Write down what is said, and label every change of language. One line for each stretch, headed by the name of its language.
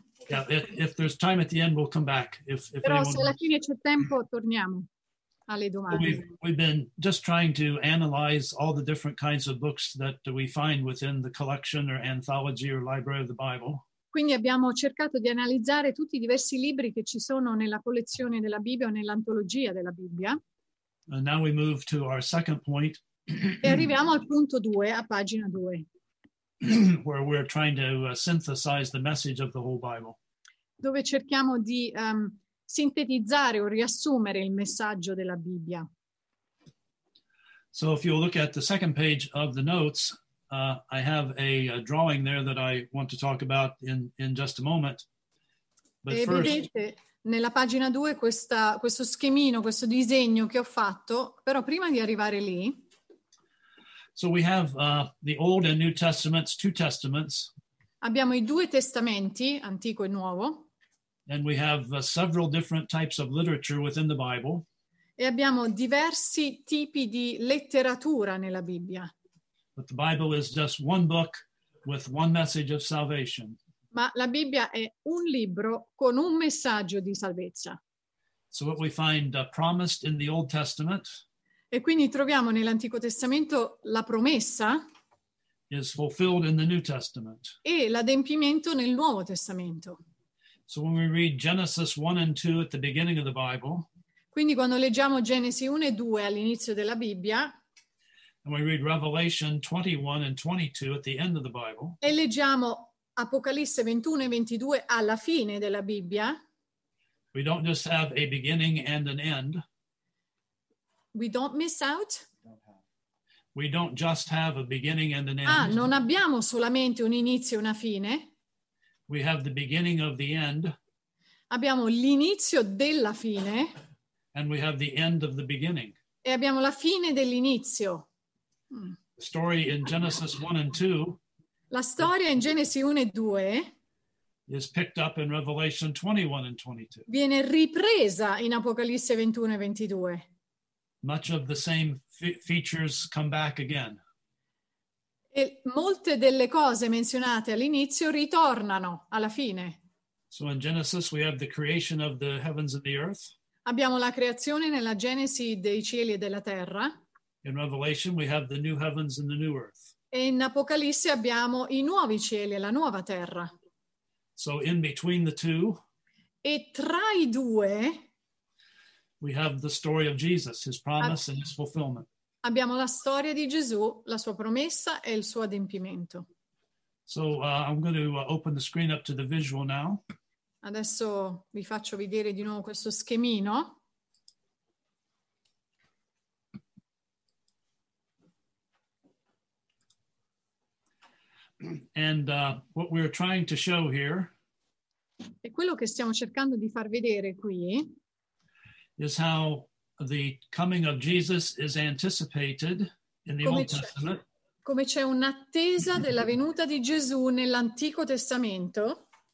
English: Yeah, if there's time at the end, we'll come back.
Italian: Però se alla fine c'è tempo, torniamo alle domande.
English: We've been just trying to analyze all the different kinds of books that we find within the collection or anthology or library of the Bible.
Italian: Quindi abbiamo cercato di analizzare tutti i diversi libri che ci sono nella collezione della Bibbia o nell'antologia della Bibbia.
English: And now we move to our second point.
Italian: E arriviamo al punto 2, a pagina 2.
English: Where we're trying to synthesize the message of the whole Bible.
Italian: Dove cerchiamo di sintetizzare o riassumere il messaggio della Bibbia.
English: So if you look at the second page of the notes, I have a drawing there that I want to talk about in just a moment. But
Italian: e
English: first,
Italian: vedete nella pagina 2 questo schemino, questo disegno che ho fatto, però prima di arrivare lì.
English: So we have the Old and New Testaments, two testaments.
Italian: Abbiamo i due testamenti, antico e nuovo.
English: And we have several different types of literature within the Bible.
Italian: E abbiamo diversi tipi di letteratura nella Bibbia.
English: But the Bible is just one book with one message of salvation.
Italian: Ma la Bibbia è un libro con un messaggio di salvezza.
English: So what we find promised in the Old Testament.
Italian: E quindi troviamo nell'Antico Testamento la promessa.
English: Is fulfilled in the New Testament.
Italian: E l'adempimento nel Nuovo Testamento.
English: So when we read Genesis 1 and 2 at the beginning of the Bible.
Italian: Quindi quando leggiamo Genesi 1 e 2 all'inizio della Bibbia.
English: And we read Revelation 21 and 22 at the end of the Bible.
Italian: E leggiamo Apocalisse 21 e 22 alla fine della Bibbia.
English: We don't just have a beginning and an end. We don't miss out. We don't just have a beginning and an end.
Italian: Ah, non abbiamo solamente un inizio e una fine.
English: We have the beginning of the end.
Italian: Abbiamo l'inizio della fine.
English: And we have the end of the beginning.
Italian: E abbiamo la fine dell'inizio.
English: The story in Genesis 1 and 2.
Italian: La storia in Genesi 1 e 2
English: is picked up in Revelation 21 and 22.
Italian: Viene ripresa in Apocalisse 21 e 22.
English: Much of the same features come back again.
Italian: E molte delle cose menzionate all'inizio ritornano alla fine.
English: So in Genesis we have the creation of the heavens and the earth.
Italian: Abbiamo la creazione nella Genesi dei cieli e della terra.
English: In Revelation we have the new heavens and the new earth.
Italian: E in Apocalisse abbiamo i nuovi cieli e la nuova terra.
English: So in between the two,
Italian: e tra i due,
English: we have the story of Jesus, his promise and his fulfillment.
Italian: Abbiamo la storia di Gesù, la sua promessa e il suo adempimento.
English: So I'm going to open the screen up to the visual now.
Italian: Adesso vi faccio vedere di nuovo questo schemino.
English: And what we're trying to show here,
Italian: e quello che stiamo cercando di far vedere qui,
English: is how the coming of Jesus is anticipated in the Old Testament.
Italian: Come c'è un'attesa della venuta di Gesù nell'Antico Testamento.